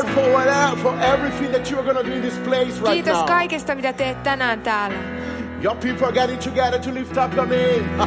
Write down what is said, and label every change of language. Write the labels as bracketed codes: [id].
[en] Thank you, Lord, for everything that you are going to do in this place right [fi] kiitos [en] now. [fi] Kiitos kaikesta, mitä teet tänään täällä. [en] Your people are getting together to lift up your name.